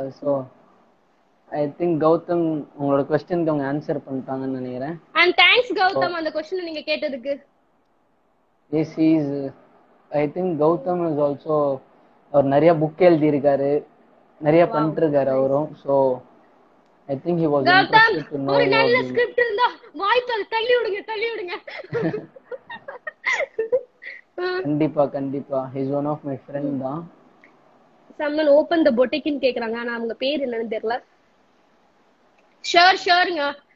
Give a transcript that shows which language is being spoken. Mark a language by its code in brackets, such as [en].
[ta] So I think Gautham உங்களோட க்வெஸ்சனுக்கு அவங்க answer பண்ணிட்டாங்கன்னு நினைக்கிறேன். அண்ட் தேங்க்ஸ் கௌதம் அந்த க்வெஸ்சன் நீங்க கேட்டதுக்கு. [en] this is I think [ta] Gautham is also அவர் நிறைய புக் எழுதி இருக்காரு, நிறைய பண்ணிட்டு இருக்காரு அவரும். [en] so I think he was interested to know [ta] ஒரு நல்ல ஸ்கிரிப்ட் இருந்தா வாய்ப்பை தள்ளி விடுங்க தள்ளி விடுங்க. கண்டிப்பா கண்டிப்பா. [en] he's one of my friend [ta] தா. [en] someone open the boutique [ta] னு கேக்குறாங்க, ஆனா அவங்க பேர் என்னன்னு தெரியல. ஷர் ஷர்ங்க